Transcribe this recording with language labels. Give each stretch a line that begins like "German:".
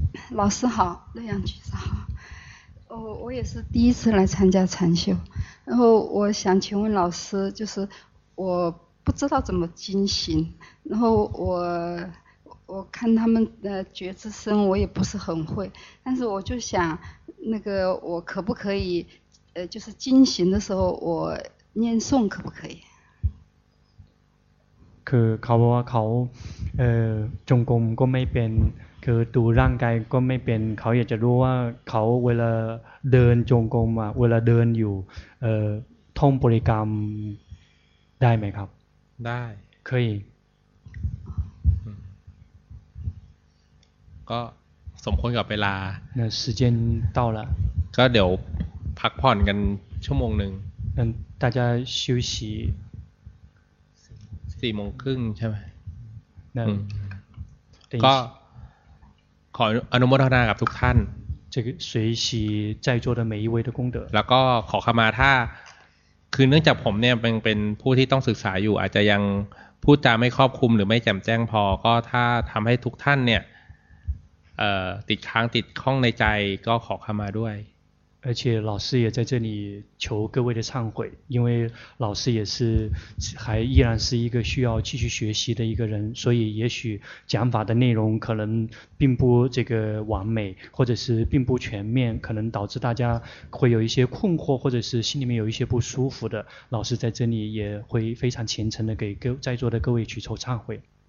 Chinese: 老师好，洛阳居士好，我也是第一次来参加禅修，然后我想请问老师，就是我不知道怎么进行，然后我看他们的觉知声，我也不是很会，但是我就想。那个我可不可以就是进行的时候我念诵可不可以
Thai: คือเขาบอกว่าเขาจงกรมก็ไม่เป็นคือดูร่างกายก็ไม่เป็นเขาอยากจะรู้ว่าเขาเวลาเดินจงกรมอ่ะเวลาเดินอยู่ท่องบริกรรมได้ไหมครับ ได้
Chinese: 可以
Thai: ก็สมควรกับเวลา
Chinese: 那时间到了
Thai: ก็เดี๋ยวพักผ่อนกันชั่วโมงหนึ่ง
Chinese: 让大家休息
Thai: สี่โมงครึ่งใช่ไหม นั่น ก็ขออนุโมทนากับทุกท่าน
Chinese: 这个随喜在座的每一位的功德
Thai: แล้วก็ขอขมาถ้าคือเนื่องจากผมเนี่ยเป็นผู้ที่ต้องศึกษาอยู่อาจจะยังพูดจาไม่ครอบคลุมหรือไม่แจ่มแจ้งพอก็ถ้าทำให้ทุกท่านเนี่ยติดค้างติดข้องในใจก็ขอขมาด้วย
Chinese: 而且老师也在这里求各位的忏悔因为老师也是还依然是一个需要继续学习的一个人所以也许讲法的内容可能并不这个完美或者是并不全面可能导致大家会有一些困惑或者是心里面有一些不舒服的老师在这里也会非常虔诚的给在座的各位举手忏悔